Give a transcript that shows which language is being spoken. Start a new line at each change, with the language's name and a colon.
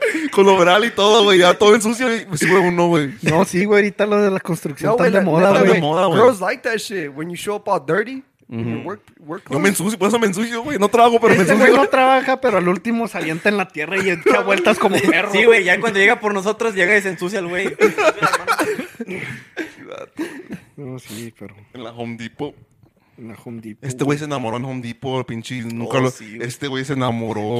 Spanish: Con obral y todo, güey, ya todo en sucio, me sube uno, güey. No, sí, güey, ahorita lo de la construcción no, está de moda, güey. De moda, güey.
English: Girls like that shit, when you show up all dirty, mm-hmm. work
Spanish: clothes. No me ensucio, por eso me ensucio, güey, no trabajo, pero me ensucio. No trabaja, pero al último se alienta en la tierra y echa vueltas como perro. Sí, güey, ya cuando llega por nosotros, llega y se ensucia el güey. No, sí, pero... En la Home Depot. En la Home Depot. Este güey se enamoró en Home Depot, pinche. Nunca lo... Sí, wey. Este güey se enamoró.